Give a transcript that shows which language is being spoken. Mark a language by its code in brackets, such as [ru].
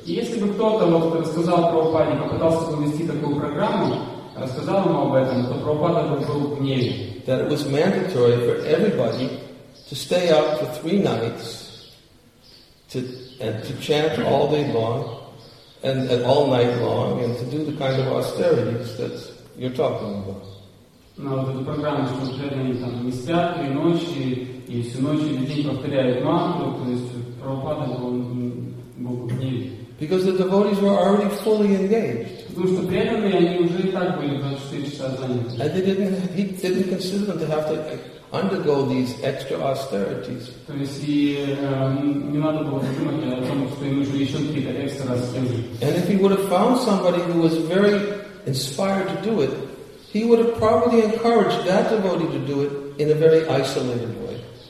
[en] That it was mandatory for everybody to stay up for 3 nights to chant all day long and all night long and to do the kind of austerities that you're talking about. [ru] На вот эту программу, что преданные там не спят, и ночи, и всю ночь, и день повторяют мантру, то есть Прабхупада был в гневе. [en] Because the devotees were already fully engaged. [ru] Потому что преданные, они уже и так были 24 часа заняты. [en] And he didn't consider them to have to undergo these extra austerities. [ru] То есть не надо было думать о том, что им нужно еще какие-то экстра скинуть. [en] And if he would have found somebody who was very inspired to do it, he would have probably encouraged that devotee to do it in a very isolated way.